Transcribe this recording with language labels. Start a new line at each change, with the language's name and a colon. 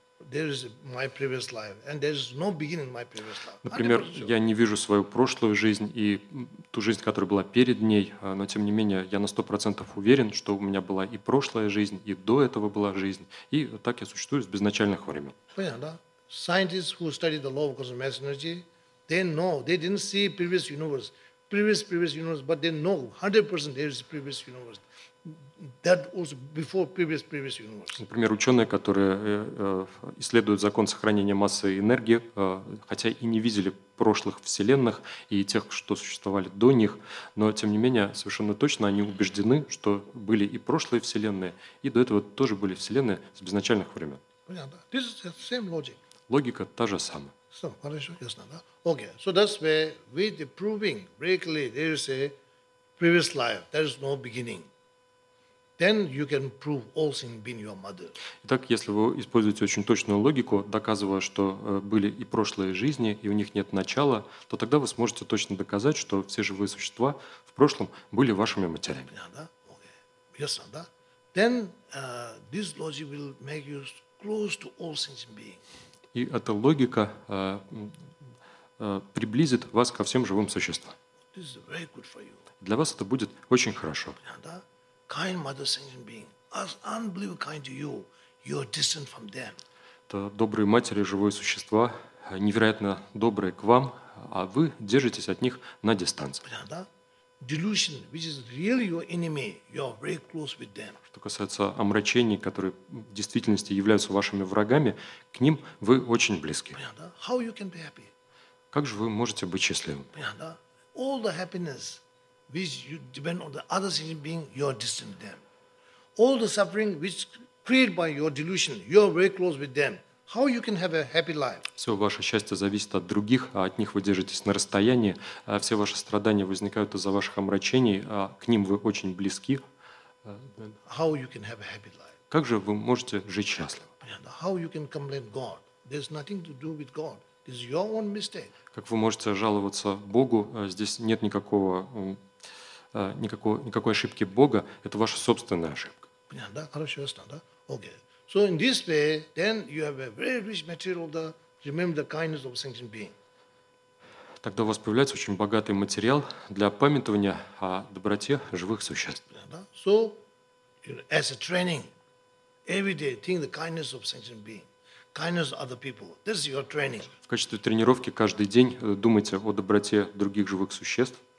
English: There is my previous life, and there is no beginning my previous life.
Russian: Например, я не вижу свою прошлую жизнь и ту жизнь, которая была перед ней, но тем не менее я на 100% уверен, что у меня была и прошлая жизнь, и до этого была жизнь, и так я существую с безначальных времен. Понятно, да?
English: Scientists who study the law of cosmic energy, they know they didn't see previous universe, but they know 100% there is previous universe. That was before previous universe.
Russian: Например, ученые, которые исследуют закон сохранения массы и энергии, хотя и не видели прошлых вселенных и тех, что существовали до них, но тем не менее совершенно точно они убеждены, что были и прошлые вселенные, и до этого тоже были вселенные с безначальных времен.
English: This is the same logic.
Russian: Логика та же самая. So, хорошо, ясно, да?
English: Okay, so that's where with the proving very clearly there is a previous life, there is no beginning. Then you can prove all things being your mother.
Russian: Итак, если вы используете очень точную логику, доказывая, что были и прошлые жизни, и у них нет начала, то тогда вы сможете точно доказать, что все живые существа в прошлом были вашими матерями. Понятно, да?
English: Okay. Yes,
Russian: да?
English: Then this logic will make you close to all things being.
Russian: И эта логика приблизит вас ко всем живым существам.
English: This is very good for you.
Russian: Для вас это будет очень хорошо. Понятно, да?
English: Kind mother sentient being, as unbelievably kind to you, you are distant from them.
Russian: Это добрые матери, живые существа, невероятно добрые к вам, а вы держитесь от них на дистанции. Понятно, да?
English: Delusion, which is really your enemy, you are very close with them.
Russian: Что касается омрачений, которые в действительности являются вашими врагами, к ним вы очень близки. Понятно, да?
English: How you can be happy?
Russian: Как же вы можете быть счастливым? Понятно, да?
English: All the happiness. Which you depend on the other sentient being, you are distant from them. All the suffering which created by your delusion, you are very close with them. How you can have a happy life?
Russian: Все ваше счастье зависит от других, а от них вы держитесь на расстоянии. Все ваши страдания возникают из-за ваших омрачений, а к ним вы очень близки.
English: How you can have a happy life?
Russian: Как же вы можете жить счастливо?
English: How you can complain God? There's nothing to do with God. It's your own mistake.
Russian: Как вы можете жаловаться Богу? Здесь нет никакого никакой ошибки Бога, это ваша собственная ошибка. Понятно, да? Хорошо, ясно, да? Окей.
English: So in this way, then you have a very rich material to remember the kindness of a sentient being.
Russian: Тогда у вас появляется очень богатый материал для памятования о доброте живых существ.
English: So, as a training, every day think the kindness of sentient being, kindness of other people. This is your training.
Russian: В качестве тренировки каждый день думайте о доброте других живых существ.